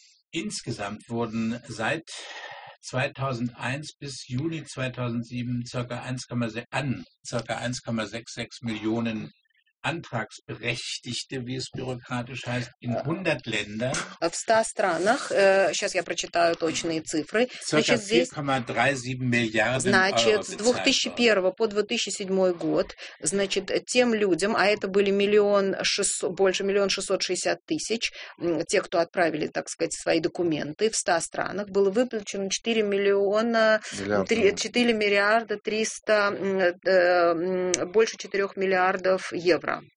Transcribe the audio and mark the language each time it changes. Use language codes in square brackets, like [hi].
[de] Insgesamt wurden seit 2001 bis Juni 2007 ca. 1,66 Millionen Antragsberechtigte, wie es bürokratisch heißt, in 100 Ländern. [ru] В 100 странах, сейчас я прочитаю точные цифры, значит, [de] 4,37 Milliarden Euro. [ru] Значит, с 2001 по 2007 год, значит, тем людям, а это были больше 1,660,000, те, кто отправили, так сказать, свои документы в 100 странах, было выплачено 4 миллиарда 300, больше 4 миллиардов евро.